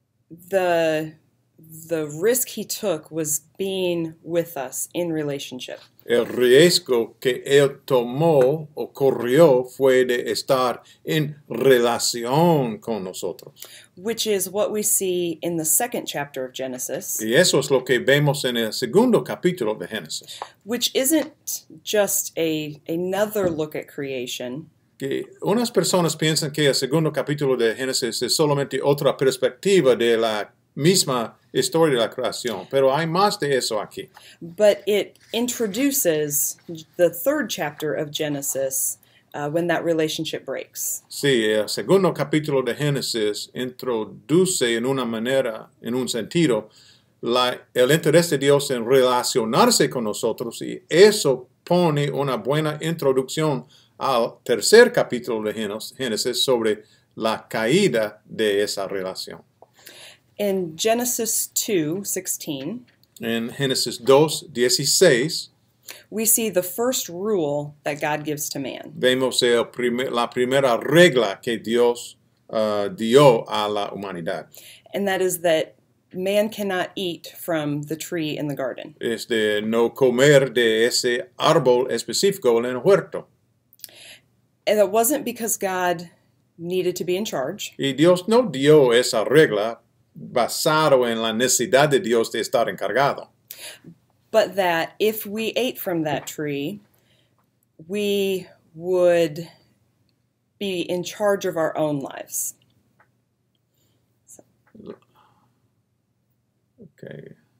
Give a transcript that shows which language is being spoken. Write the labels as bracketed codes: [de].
[en] The risk he took was being with us in relationship. [es] El riesgo que él tomó o corrió fue de estar en relación con nosotros. [en] Which is what we see in the second chapter of Genesis. [es] Y eso es lo que vemos en el segundo capítulo de Génesis. [en] Which isn't just another look at creation. [es] Que unas personas piensan que el segundo capítulo de Génesis es solamente otra perspectiva de la misma historia de la creación, pero hay más de eso aquí. [en] But it introduces the third chapter of Genesis when that relationship breaks. [es] Sí, el segundo capítulo de Génesis introduce en una manera, en un sentido, el interés de Dios en relacionarse con nosotros y eso pone una buena introducción al tercer capítulo de Génesis sobre la caída de esa relación. [en] In Genesis 2:16. In Genesis 2:16. We see the first rule that God gives to man. [es] Vemos la primera regla que Dios dio a la humanidad. [en] And that is that man cannot eat from the tree in the garden. [es] Es de no comer de ese árbol específico en el huerto. [en] And it wasn't because God needed to be in charge. [es] Y Dios no dio esa regla basado en la necesidad de Dios de estar encargado. [en] But that if we ate from that tree, we would be in charge of our own lives. So. Okay.